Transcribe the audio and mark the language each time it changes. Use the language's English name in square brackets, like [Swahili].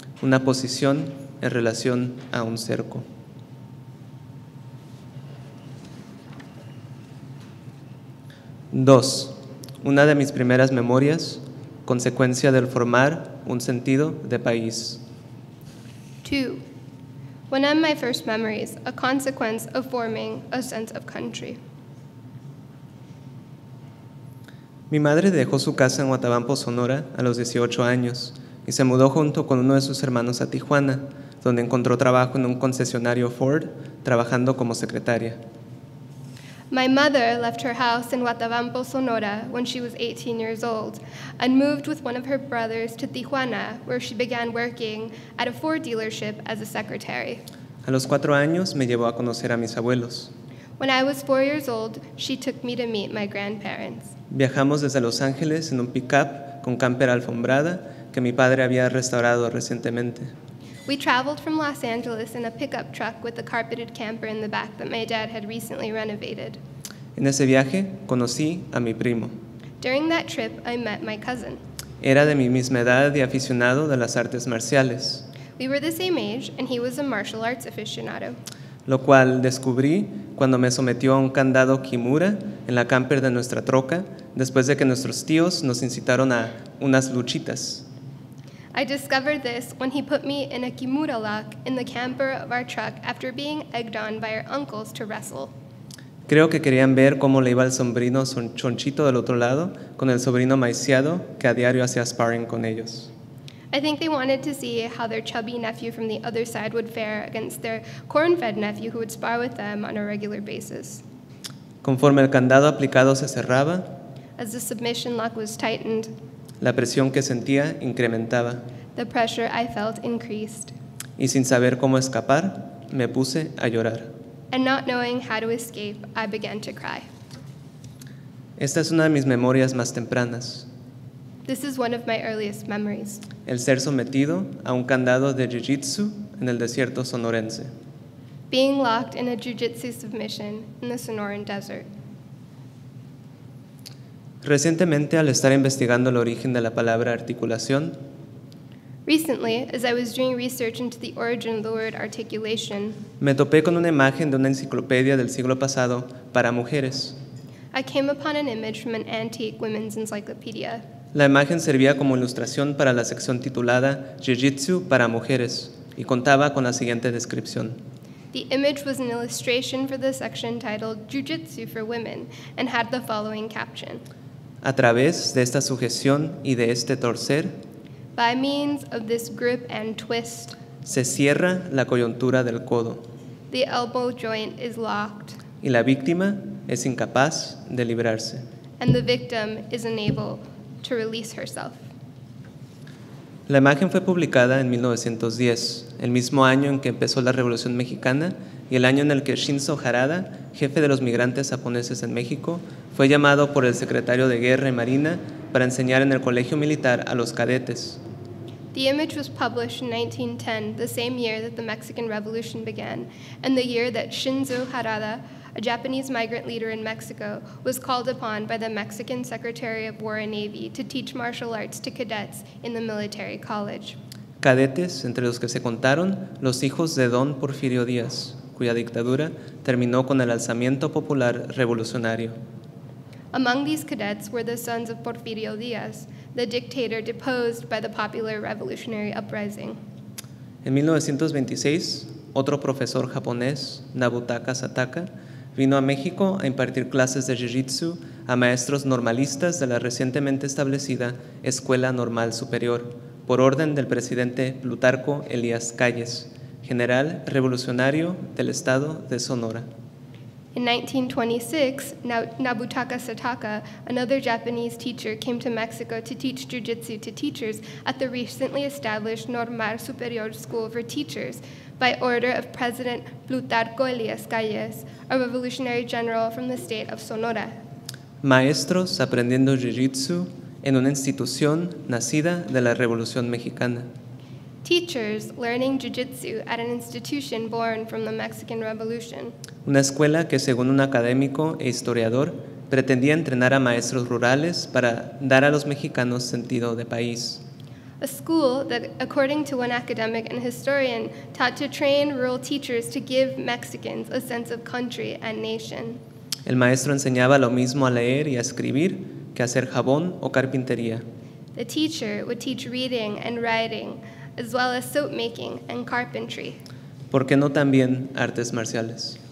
[Spanish] Una posición en relación a un cerco. Dos, una de mis primeras memorias, consecuencia del formar un sentido de país. [English] Two, one of my first memories, a consequence of forming a sense of country. [Spanish] Mi madre dejó su casa en Huatabampo, Sonora, a los 18 años, y se mudó junto con uno de sus hermanos a Tijuana, donde encontró trabajo en un concesionario Ford, trabajando como secretaria. [English] My mother left her house in Huatabampo, Sonora, when she was 18 years old, and moved with one of her brothers to Tijuana, where she began working at a Ford dealership as a secretary. [Spanish] A los 4 años, me llevó a conocer a mis abuelos. [English] When I was 4 years old, she took me to meet my grandparents. [Spanish] Viajamos desde Los Ángeles en un pickup con camper alfombrada que mi padre había restaurado recientemente. [English] We traveled from Los Angeles in a pickup truck with a carpeted camper in the back that my dad had recently renovated. [Spanish] En ese viaje, conocí a mi primo. [English] During that trip, I met my cousin. [Spanish] Era de mi misma edad y aficionado de las artes marciales. [English] We were the same age, and he was a martial arts aficionado. [Spanish] Lo cual descubrí cuando me sometió a un candado Kimura en la camper de nuestra troca, después de que nuestros tíos nos incitaron a unas luchitas. [English] I discovered this when he put me in a Kimura lock in the camper of our truck after being egged on by our uncles to wrestle. [Spanish] Creo que querían ver cómo le iba el sobrino Chonchito del otro lado con el sobrino Maiciado que a diario hacía sparring con ellos. [English] I think they wanted to see how their chubby nephew from the other side would fare against their corn-fed nephew who would spar with them on a regular basis. [Spanish] Conforme el candado aplicado se cerraba, [English] as the submission lock was tightened, [Spanish] la presión que sentía incrementaba. [English] The pressure I felt increased. [Spanish] Y sin saber cómo escapar, me puse a llorar. [English] And not knowing how to escape, I began to cry. [Spanish] Esta es una de mis memorias más tempranas. [English] This is one of my earliest memories. [Spanish] El ser sometido a un candado de jiu-jitsu en el desierto sonorense. [English] Being locked in a jiu-jitsu submission in the Sonoran Desert. [Spanish] Recientemente, al estar investigando el origen de la palabra articulación, [English] recently, as I was doing research into the origin of the word articulation, [Spanish] me topé con una imagen de una enciclopedia del siglo pasado para mujeres. [English] I came upon an image from an antique women's encyclopedia. [Spanish] La imagen servía como ilustración para la sección titulada Jiu-Jitsu para mujeres y contaba con la siguiente descripción. [English] The image was an illustration for the section titled Jiu-Jitsu for Women and had the following caption. [Spanish] A través de esta sujeción y de este torcer, [English] by means of this grip and twist, [Spanish] se cierra la coyuntura del codo. [English] The elbow joint is locked. [Spanish] Y la víctima es incapaz de librarse. [English] And the victim is unable to release herself. [Spanish] La imagen fue publicada en 1910, el mismo año en que empezó la Revolución Mexicana y el año en el que Shinzo Harada, jefe de los migrantes japoneses en México, fue llamado por el secretario de Guerra y Marina para enseñar en el colegio militar a los cadetes. [English] The image was published in 1910, the same year that the Mexican Revolution began, and the year that Shinzo Harada, a Japanese migrant leader in Mexico, was called upon by the Mexican Secretary of War and Navy to teach martial arts to cadets in the military college. [Spanish] Cadetes, entre los que se contaron, los hijos de Don Porfirio Díaz, cuya dictadura terminó con el alzamiento popular revolucionario. [English] Among these cadets were the sons of Porfirio Díaz, the dictator deposed by the popular revolutionary uprising. [Spanish] En 1926, otro profesor japonés, Nabutaka Sataka, vino a México a impartir clases de jiu-jitsu a maestros normalistas de la recientemente establecida Escuela Normal Superior, por orden del presidente Plutarco Elías Calles, general revolucionario del estado de Sonora. [English] In 1926, Nabutaka Sataka, another Japanese teacher, came to Mexico to teach jiu-jitsu to teachers at the recently established Normal Superior School for Teachers by order of President Plutarco Elias Calles, a revolutionary general from the state of Sonora. [Spanish] Maestros aprendiendo jiu-jitsu en una institución nacida de la Revolución Mexicana. [English] Teachers learning jiu-jitsu at an institution born from the Mexican Revolution. [Spanish] Una escuela que, según un académico e historiador, pretendía entrenar a maestros rurales para dar a los mexicanos sentido de país. [English] A school that, according to one academic and historian, taught to train rural teachers to give Mexicans a sense of country and nation. [Spanish] El maestro enseñaba lo mismo a leer y a escribir que a hacer jabón o carpintería. [English] The teacher would teach reading and writing, as well as soap making and carpentry. [Spanish] ¿Por qué no también artes marciales?